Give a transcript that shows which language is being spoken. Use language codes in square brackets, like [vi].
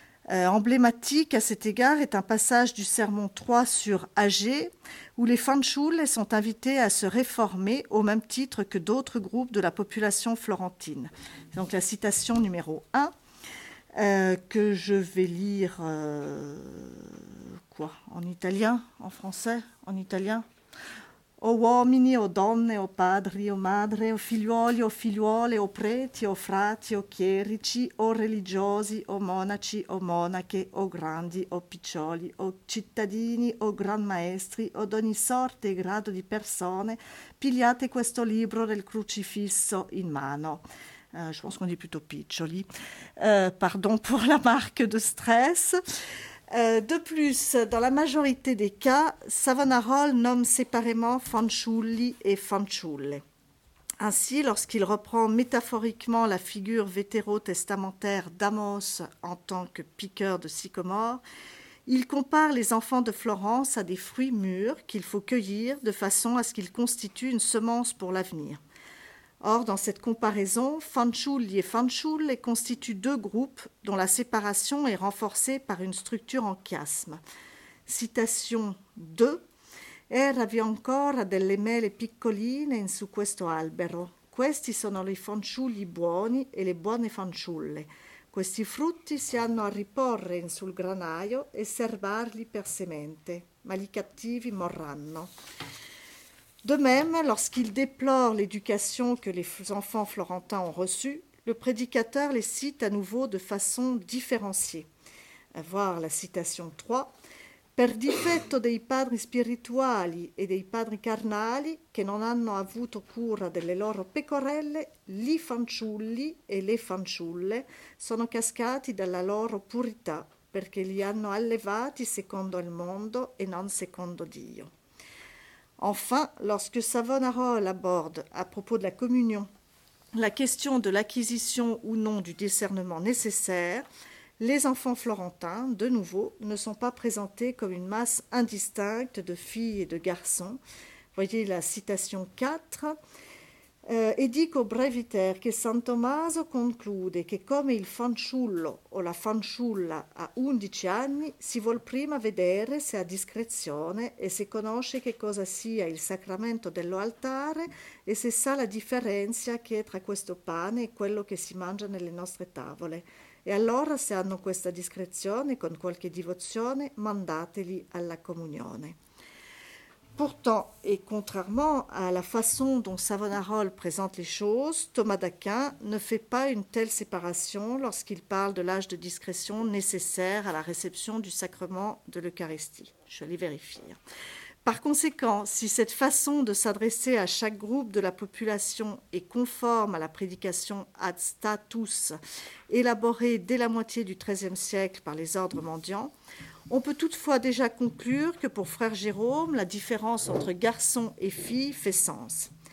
[fr] Emblématique à cet égard est un passage du sermon 3 sur Âgés, où les fanciulle sont invités à se réformer au même titre que d'autres groupes de la population florentine. Donc la citation numéro 1, que je vais lire en italien, en français, en italien. [it] O uomini, o donne, o padri, o madre, o figliuole, o preti, o frati, o chierici, o religiosi, o monaci, o monache, o grandi, o piccioli, o cittadini, o gran maestri, o d'ogni sorte e grado di persone, pigliate questo libro del crucifisso in mano. [fr] Je pense qu'on dit plutôt piccioli. Pardon pour la marque de stress. De plus, dans la majorité des cas, Savonarole nomme séparément fanciulli et fanciulle. Ainsi, lorsqu'il reprend métaphoriquement la figure vétérotestamentaire d'Amos en tant que piqueur de sycomore, il compare les enfants de Florence à des fruits mûrs qu'il faut cueillir de façon à ce qu'ils constituent une semence pour l'avenir. Or, dans cette comparaison, fanciulli et fanciulle constituent deux groupes dont la séparation est renforcée par une structure en chiasme. Citation 2. [it] Era vi ancora delle mele piccoline in su questo albero. Questi sono i fanciulli buoni e le buone fanciulle. Questi frutti si hanno a riporre in sul granaio e serbarli per semente, ma gli cattivi morranno. [fr] De même, lorsqu'il déplore l'éducation que les enfants florentins ont reçue, le prédicateur les cite à nouveau de façon différenciée. À voir la citation 3. [it] Per difetto dei padri spirituali e dei padri carnali che non hanno avuto cura delle loro pecorelle, gli fanciulli e le fanciulle sono cascati dalla loro purità perché li hanno allevati secondo il mondo e non secondo Dio. [fr] Enfin, lorsque Savonarole aborde, à propos de la communion, la question de l'acquisition ou non du discernement nécessaire, les enfants florentins, de nouveau, ne sont pas présentés comme une masse indistincte de filles et de garçons. Voyez la citation 4. [it] « Edico breviter che San Tommaso conclude che come il fanciullo o la fanciulla a 11 anni si vuol prima vedere se ha discrezione e se conosce che cosa sia il sacramento dell'altare e se sa la differenza che è tra questo pane e quello che si mangia nelle nostre tavole. E allora se hanno questa discrezione con qualche devozione mandateli alla comunione. » [fr] Pourtant, et contrairement à la façon dont Savonarole présente les choses, Thomas d'Aquin ne fait pas une telle séparation lorsqu'il parle de l'âge de discrétion nécessaire à la réception du sacrement de l'Eucharistie. Je vais vérifier. Par conséquent, si cette façon de s'adresser à chaque groupe de la population est conforme à la prédication ad status élaborée dès la moitié du XIIIe siècle par les ordres mendiants, on peut toutefois déjà conclure que pour frère Jérôme, la différence entre garçon et fille fait sens.